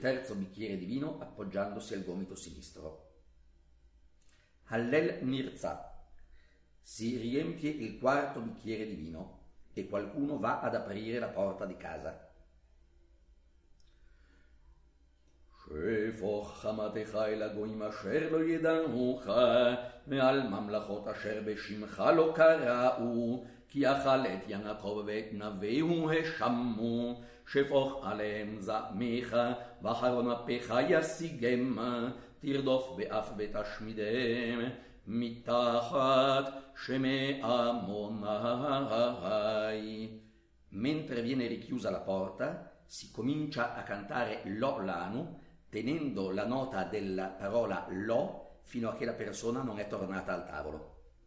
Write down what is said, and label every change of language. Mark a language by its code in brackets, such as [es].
[it] terzo bicchiere di vino appoggiandosi al gomito sinistro. Hallel Nirza. Si riempie il quarto bicchiere di vino e qualcuno va ad aprire la porta di casa. [he] שפוך חמתך אל הגויים אשר לא ידעוך, מעל ממלכות אשר בשמך לא קראו, כי אכל את יעקב ואת נביהו השמו, שפוך עליהם זעמך, ואחרון אפיך ישיגם, תרדוף באף ותשמידם, מתחת שמי עמוני. [it] Mentre viene richiusa la porta, si comincia a cantare lo lanu, tenendo la nota della parola lo fino a che la persona non è tornata al tavolo.